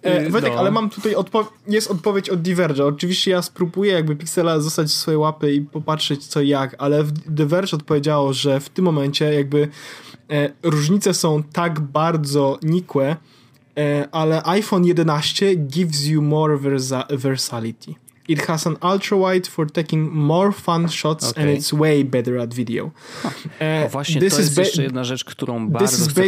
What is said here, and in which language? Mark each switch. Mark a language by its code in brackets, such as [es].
[pl] Wojtek, no. Ale mam tutaj jest odpowiedź od Diverge. Oczywiście ja spróbuję jakby Pixela zostać w swojej łapy i popatrzeć co jak, ale Diverge odpowiedziało, że w tym momencie jakby... różnice są tak bardzo nikłe, ale iPhone 11 [en] gives you more versatility. It has an ultra wide for taking more fun shots, okay, and it's way better at video. [pl] Właśnie, [en] this [pl] to jest jeszcze jedna rzecz, którą bardzo chcę przetestować.